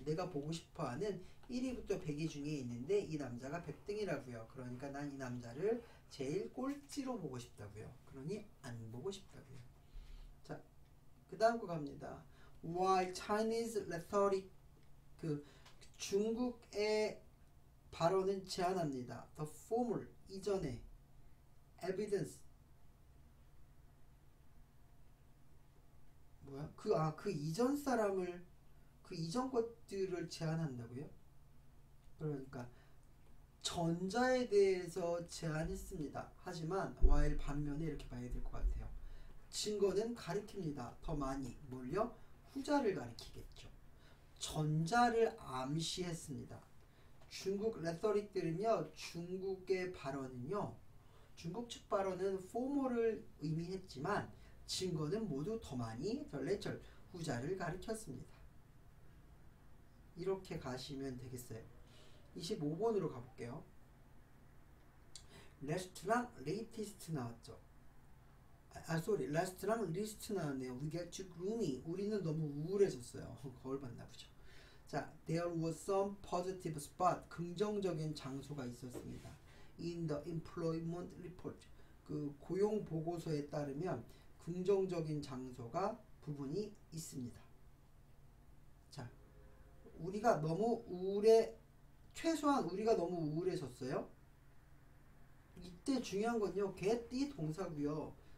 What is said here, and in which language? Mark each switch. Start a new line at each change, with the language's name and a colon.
Korean: 내가 보고 싶어 하는 1위부터 100위 중에 있는데 이 남자가 100등이라고요. 그러니까 난이 남자를 제일 꼴찌로 보고 싶다고요. 그러니 안 보고 싶다고요. 자, 그 다음 거 갑니다.
English: While Chinese rhetoric,
Korean: 중국의 발언은 제한합니다.
English: The formal, 이전에, evidence.
Korean: 뭐야? 그 이전 사람을, 그 이전 것들을 제안한다고요? 그러니까 전자에 대해서 제안했습니다. 하지만 while 반면에 이렇게 봐야 될것 같아요. 증거는 가리킵니다. 더 많이 뭘요? 후자를 가리키겠죠. 전자를 암시했습니다. 중국 레토릭들은요, 중국의 발언은요, 중국 측 발언은 포모를 의미했지만 증거는 모두 더 많이 the latter 후자를 가리켰습니다. 이렇게 가시면 되겠어요. 25번으로 가볼게요. Last랑 latest 나왔죠. 아, sorry. Last랑 least 나왔네요.
English: We get too gloomy.
Korean: 우리는 너무 우울해졌어요. 거울 봤나 보죠.
English: 자, There was some positive spot.
Korean: 긍정적인 장소가 있었습니다.
English: In the employment report.
Korean: 그 고용 보고서에 따르면 긍정적인 장소가 부분이 있습니다. 우리가 너무 우울해, 최소한 우리가 너무 우울해졌어요? 이때 중요한 건요, get이 동사고요.